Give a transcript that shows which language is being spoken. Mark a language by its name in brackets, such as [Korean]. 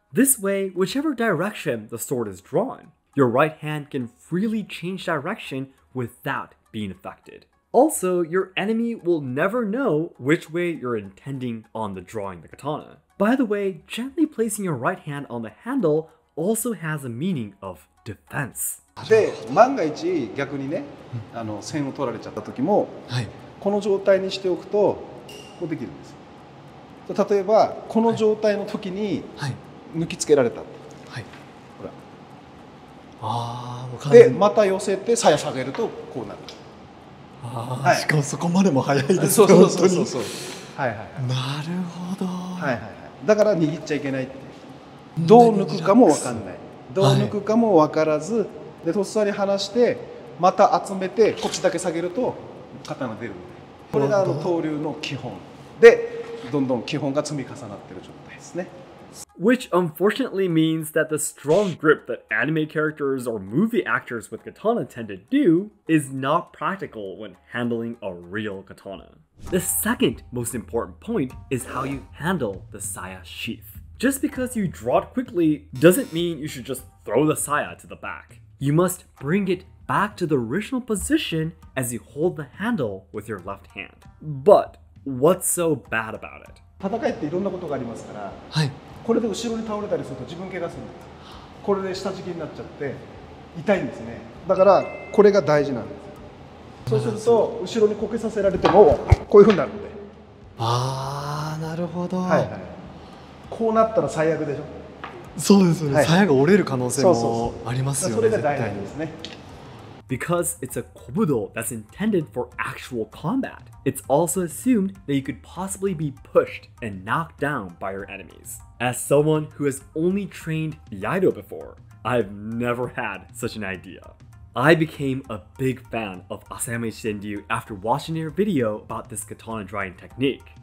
[English] This way, whichever direction the sword is drawn, your right hand can freely change direction without being affected. Also, your enemy will never know which way you're intending on the drawing the katana. By the way, gently placing your right hand on the handle also has a meaning of defense. [Japanese] で、万が一逆にね、あの線を取られちゃった時も、はい、この状態にしておくとこうできるんです。例えばこの状態の時に抜きつけられた。はい。ほら。ああ、わかる。で、また寄せて鞘下げるとこうなる。ああ、はい、しかもそこまでも早いですね。そうそうそうそうそう。はいはい。なるほど。はいはい。だから握っちゃいけないって。どう抜くかも分かんない。どう抜くかも分からず、はい、でとっさに離して、また集めて、こっちだけ下げると刀出るので。これがあの刀流の基本。で、どんどん基本が積み重なってる状態ですね。 [English] Which unfortunately means that the strong grip that anime characters or movie actors with katana tend to do is not practical when handling a real katana. The second most important point is how you handle the saya sheath. Just because you draw it quickly doesn't mean you should just throw the saya to the back. You must bring it back to the original position as you hold the handle with your left hand. But what's so bad about it? [Japanese] 戦いっていろんなことがありますから、はい、これで後ろに倒れたりすると自分怪我するんです。これで下敷きになっちゃって痛いんですね。だからこれが大事なんです。そうすると後ろにこけさせられてもこういうふうになるんで。ああ、なるほど、はいはい。こうなったら最悪でしょ。そうですよね。鞘、はい、が折れる可能性もありますよね。それが大事なんですね。 [English] Because it's a kobudo that's intended for actual combat, it's also assumed that you could possibly be pushed and knocked down by your enemies. As someone who has only trained Iaido before, I've never had such an idea. I became a big fan of Asayama Ichidenryu after watching your video about this katana drawing technique.